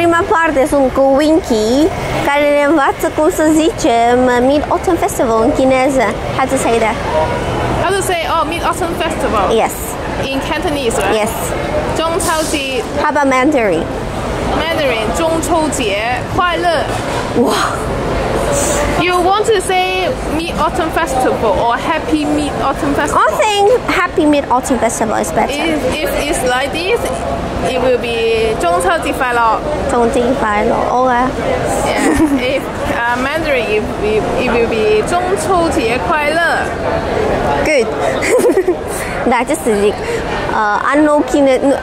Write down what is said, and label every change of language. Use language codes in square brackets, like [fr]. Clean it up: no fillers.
[ro] Parte sunt cu Winky, care ne învață cum să zicem Mid-Autumn Festival în chineză. [en] How to say that? How to say, oh, Mid-Autumn Festival? Yes. In Cantonese, right? Yes. [zh] 中秋节. [en] How about Mandarin? [zh] Mandarin, 中秋节快乐. [en] Wow. You want to say Mid-Autumn Festival or Happy Mid-Autumn Festival? I think Happy Mid-Autumn Festival is better. If it's like this, it will be [zh] 中秋节快乐. 中秋节快乐, [en] all right. Yeah. If Mandarin, it will be [zh] 中秋节快乐. [en] Good. [ro] Da, ce să zic? Anul chine...